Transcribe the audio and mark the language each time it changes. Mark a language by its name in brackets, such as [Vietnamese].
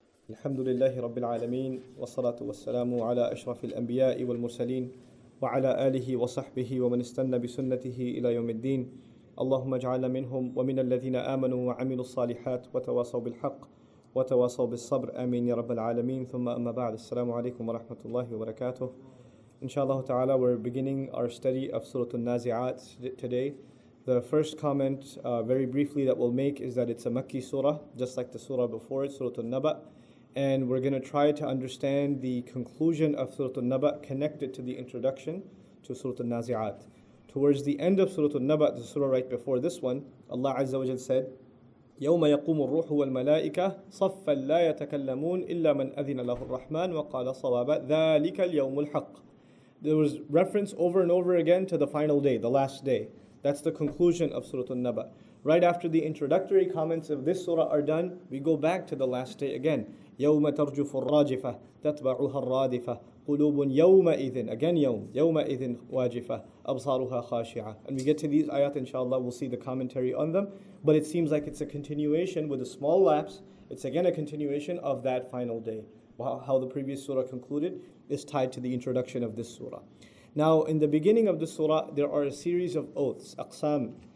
[Arabic] الحمد لله رب العالمين والصلاة والسلام على أشرف الأنبياء والمرسلين وعلى آله وصحبه ومن استنى بسنته إلى يوم الدين اللهم اجعل منهم ومن الذين آمنوا وعملوا الصالحات وتواصوا بالحق وتواصوا بالصبر آمين يا رب العالمين ثم أما بعد السلام عليكم ورحمة الله وبركاته إن شاء الله تعالى [English] we're beginning our study of سورة النازعات today. The first comment very briefly that we'll make is that it's a Makki surah just like the surah before it, سورة النبأ. And we're going to try to understand the conclusion of سورة النبأ connected to the introduction to سورة النازعات. Towards the end of سورة النبأ, the surah right before this one, Allah عز وجل said, [Arabic] يوم يقوم الروح والملائكة صفا لا يتكلمون إلا من أذن له الرحمن وقال صوابا ذلك اليوم الحق. [English] There was reference over and over again to the final day, the last day. That's the conclusion of Surah An-Naba. Right after the introductory comments of this surah are done, we go back to the last day again. [Arabic] يوم ترجف الراجفة تتبعها الرادفة قلوب يومئذ again يوم يومئذ واجفة أبصارها خاشعة. [English] And we get to these ayat, inshallah, we'll see the commentary on them. But it seems like it's a continuation with a small lapse. It's again a continuation of that final day. How the previous surah concluded is tied to the introduction of this surah. Now, in the beginning of the surah, there are a series of oaths, aqsam.